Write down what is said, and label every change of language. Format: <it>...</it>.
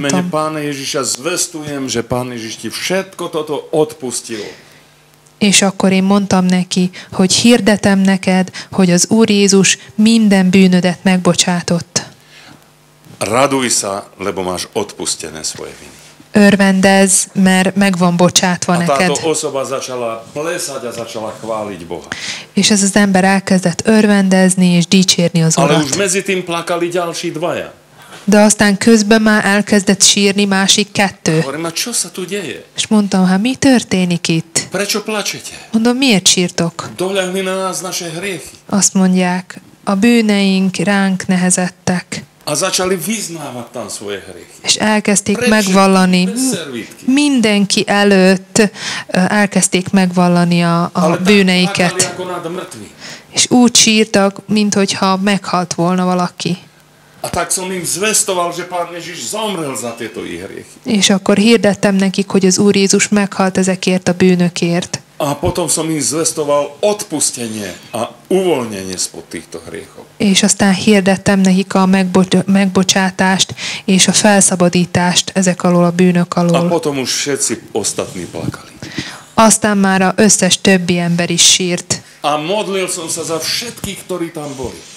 <sk>Tak ja ti mene Pána Ježiša zvestujem, že Pán Ježiš ti všetko toto odpustil.</sk> <hu>És akkor én mondtam neki, hogy hirdetem neked, hogy az Úr Jézus minden bűnödet megbocsátott.</hu> <sk>Raduj sa, lebo máš odpustené svoje viny.</sk> <hu>Örvendez, mert megvan bocsátva neked.</hu> <sk>A táto osoba začala plesať a začala chváliť Boha.</sk> <hu>És ez az ember elkezdett örvendezni és dicsérni az Urat.</hu> <sk>Ale už medzi tým plakali ďalší dvaja.</sk> <hu>De aztán közben már elkezdett sírni másik kettő.</hu> <sk>Hovorím, a čo sa tu deje?</sk> <hu>És mondtam, hát mi történik itt?</hu> <sk>Prečo plačete?</sk> <hu>Mondom, miért sírtok?</hu> <sk>Doľahli na nás naše hriechy.</sk> <hu>Azt mondják, a bűneink ránk nehezettek.</hu> <sk>A začali vyznávať tam svoje hriechy.</sk> <hu>És elkezdték megvallani mindenki előtt, elkezdték megvallani a bűneiket. És úgy sírtak, minthogyha meghalt volna valaki.</hu> <sk>A tak som im zvestoval, že Pán Ježiš zomrel za tieto ich hriechy.</sk> <hu>És akkor hirdettem nekik, hogy az Úr Jézus meghalt ezekért a bűnökért.</hu> <sk>A potom som im zvestoval odpustenie a uvoľnenie spod týchto hriechov.</sk> <hu>És aztán hirdettem nekik a megbocsátást és a felszabadítást ezek alól a bűnök alól.</hu> <sk>A potom už všetci ostatní plakali.</sk> <hu>Aztán már a összes többi ember is sírt.</hu> <sk>A modlil som sa za všetkých, ktorí tam boli.</sk>